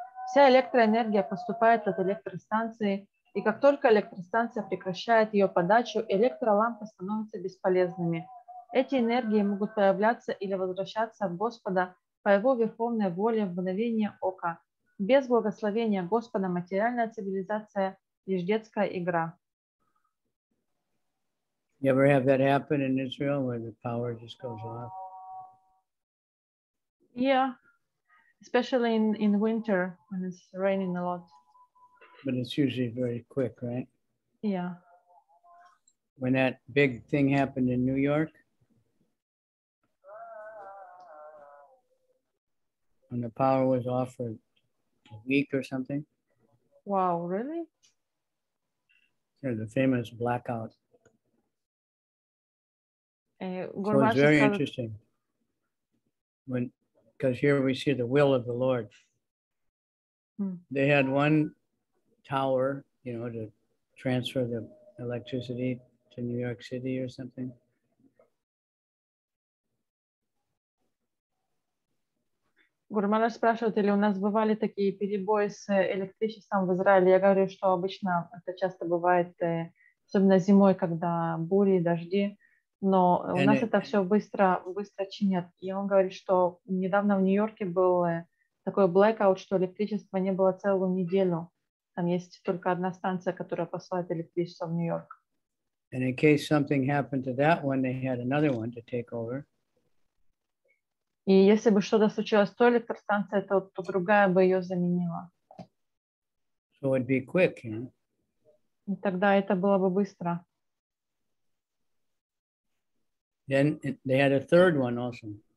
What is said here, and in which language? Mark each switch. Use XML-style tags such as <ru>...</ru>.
<ru>Вся электроэнергия поступает от электростанции, и как только электростанция прекращает ее подачу, электролампы становятся бесполезными. Эти энергии могут появляться или возвращаться в Господа по Его верховной воле в мгновение ока. Без благословения Господа материальная цивилизация – лишь детская игра.</ru> <en>You ever have that happen in Israel where the power just goes off? Yeah, especially in winter when it's raining a lot. But it's usually very quick, right? Yeah. When that big thing happened in New York, when the power was off for a week or something. Wow, really? Yeah, the famous blackout. So it's very interesting when, because here we see the will of the Lord. They had one tower, you know, to transfer the electricity to New York City or something.</en> <ru>Гурмала спрашивает, или у нас бывали такие перебои с электричеством в Израиле? Я говорю, что обычно это часто бывает, особенно зимой, когда бури, дожди. Но у нас это все быстро чинят. И он говорит, что недавно в Нью-Йорке был такой blackout, что электричества не было целую неделю. Там есть только одна станция, которая посылает электричество в Нью-Йорк.</ru> <en>And in case something happened to that one, they had another one to take over.</en> <ru>И если бы что-то случилось с той электростанцией, то другая бы ее заменила.</ru> <en>So it'd be quick, you know?</en> <ru>И тогда это было бы быстро.</ru> <en>Then they had a third one also.</en>